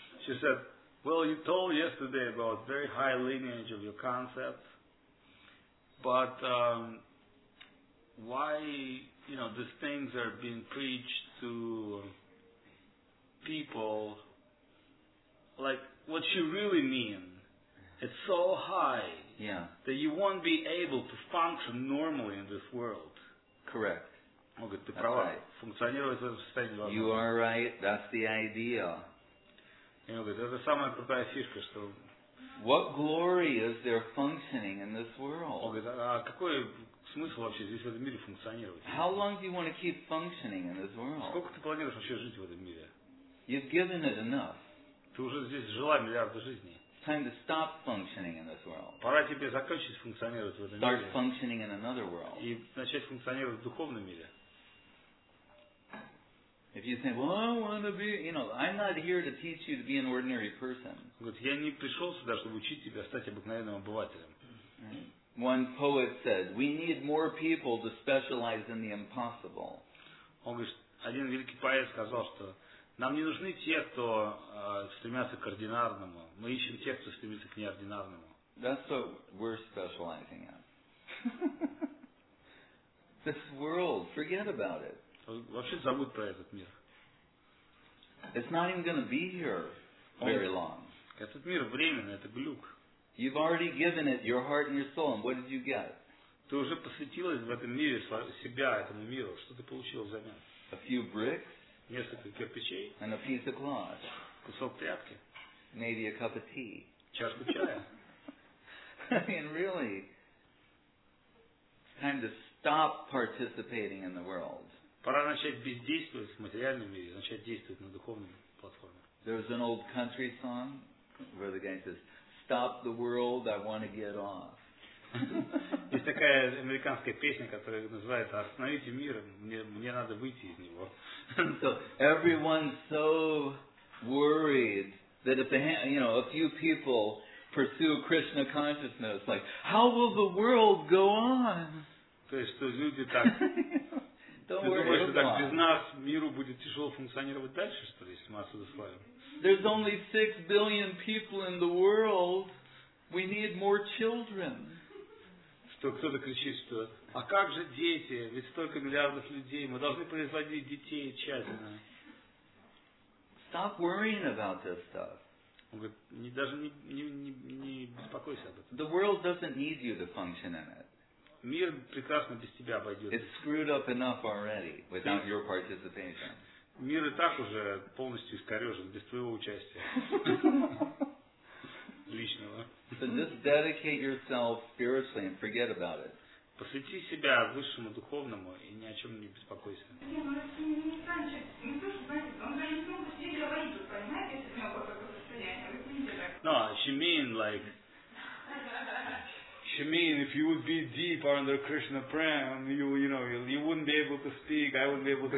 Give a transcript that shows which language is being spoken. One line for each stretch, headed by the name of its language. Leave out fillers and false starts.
English: She said, well, you told yesterday about very high lineage of your concept, but why, you know, these things are being preached to people, like, what you really mean, it's so high that you won't be able to function normally in this world. Correct.
Russian: Говорит, ты права. Функционировать в этом состоянии невозможно.
English: You are right. That's the idea.
Russian: И он говорит, это самая крутая фишка, что...
English: What glory is there functioning in this world?
Russian: Он говорит, а какой смысл вообще здесь в этом мире функционировать?
English: How long do you want to keep functioning in this world?
Russian: Сколько ты планируешь вообще жить в этом мире?
English: You've given it enough.
Russian: Ты уже здесь жила миллиарды жизней.
English: Time to stop functioning in this world.
Russian: Пора тебе закончить функционировать в этом мире.
English: Start functioning in another world.
Russian: И начать функционировать в духовном мире.
English: If you think, well, I want to be, you know, I'm not here to teach you to be an ordinary person.
Russian: Вот я не пришел сюда, чтобы учить тебя стать обыкновенным обывателем.
English: One poet said, we need more people to specialize in the impossible.
Russian: Он говорит, один великий поэт сказал, что нам не нужны те, кто стремятся к ординарному. Мы ищем тех, кто стремится к неординарному.
English: That's what we're specializing in. This world, forget about it.
Russian: Вообще забудь про этот мир.
English: It's not even going to be here very long.
Russian: Этот мир временный, это глюк.
English: You've already given it your heart and your soul, and what did you get?
Russian: Ты уже посвятила в этом мире себя этому миру. Что ты получил взамен?
English: A few bricks.
Russian: Несколько кирпичей.
English: And a piece of cloth.
Russian: Кусок тряпки.
English: Maybe a cup of tea.
Russian: Чашку чая.
English: I mean, really, it's time to stop participating in the world.
Russian: Пора начать бездействовать в материальном мире, начать действовать на духовной платформе.
English: There's an old country song where the gang says, "Stop the world, I want to get off."
Russian: Есть такая американская песня, которая называется "Остановите мир, мне надо выйти из него."
English: So everyone's so worried that if a few people pursue Krishna consciousness, like, how will the world go on?
Russian: То есть, что люди так. Ты думаешь, что так без нас миру будет тяжело функционировать дальше, что ли, если мы отсюда славим?
English: There's only 6 billion people in the world. We need more children.
Russian: Что кто-то кричит, что а как же дети? Ведь столько миллиардов людей. Мы должны производить детей тщательно.
English: Stop worrying about this stuff.
Russian: Он говорит, даже не беспокойся об этом.
English: The world doesn't need you to function in it.
Russian: Мир прекрасно без тебя обойдется.
English: It's screwed up enough already without your participation.
Russian: Мир и так уже полностью искорежен без твоего участия. Личного.
English: So just dedicate yourself spiritually and forget about it.
Russian: Посвяти себя высшему духовному и ни о чем не беспокойся. Не, ну это не станет. Ну слушай, он говорит, ну все говорит, понимаете, если у него какое-то состояние.
English: No, she mean like... You mean if you would be deep under Krishna pram, you wouldn't be able to speak, I wouldn't be able to